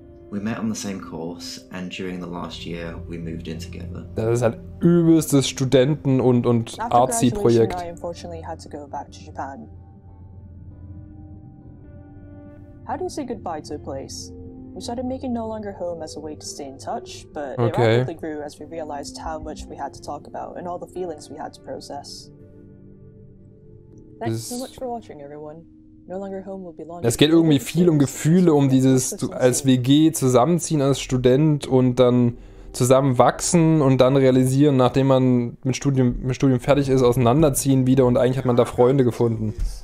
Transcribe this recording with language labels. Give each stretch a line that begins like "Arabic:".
English: We met on the same course, and during the last year, we moved in together.
German: Das ist ein übelstes Studenten- und Arzi-Projekt.
English: After graduation, I unfortunately had to go back to Japan. How do you say goodbye to a place? We started making No Longer Home as a way to stay in touch, but okay. It rapidly grew as we realized how much we had to talk about and all the feelings we had to process. Thanks so much for watching, everyone. No Longer Home will be launched.
German: Es geht irgendwie viel um Gefühle, um dieses als WG zusammenziehen als Student und dann zusammen wachsen und dann realisieren, nachdem man mit Studium fertig ist, auseinanderziehen wieder und eigentlich hat man da Freunde gefunden.